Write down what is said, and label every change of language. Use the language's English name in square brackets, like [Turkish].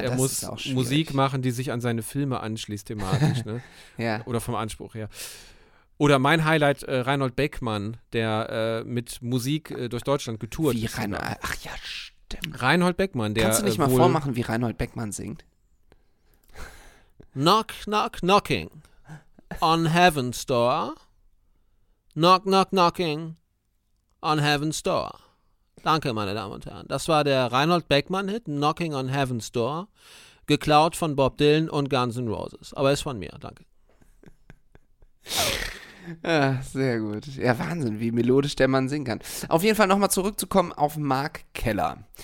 [German] er muss Musik machen, die sich an seine Filme anschließt thematisch, ne? Ja. Oder vom Anspruch her. Oder mein Highlight, Reinhold Beckmann, der mit Musik durch Deutschland getourt ist. Ach ja, stimmt. Reinhold Beckmann, der kannst du nicht mal vormachen, wie Reinhold Beckmann singt? [English] Knock, knock, knocking on heaven's door. Knock, knock, knocking on heaven's door. [German] Danke, meine Damen und Herren. Das war der Reinhold Beckmann-Hit, Knocking on Heaven's Door, geklaut von Bob Dylan und Guns N' Roses. Aber ist von mir, danke. Ach, sehr gut. Ja, Wahnsinn, wie melodisch der Mann singen kann. Auf jeden Fall nochmal zurückzukommen auf Marc Keller.